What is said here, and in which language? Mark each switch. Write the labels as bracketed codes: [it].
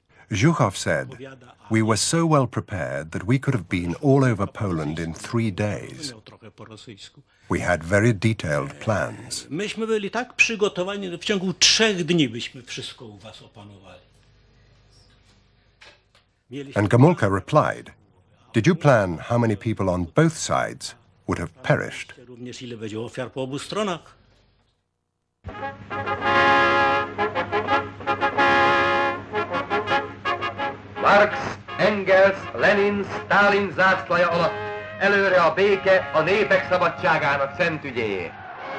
[en] Zhukov said, "We were so well prepared that we could have been all over Poland in 3 days. We had very detailed plans." [pl] Myśmy byli tak przygotowani, że w ciągu 3 dni byśmy wszystko u was opanowali. [en] And Gomulka replied, Did you plan how many people on both sides would have perished? [hu] Marx, Engels, Lenin, Stalin zászlaja alatt előre a béke a népek szabadságának szentügyéje.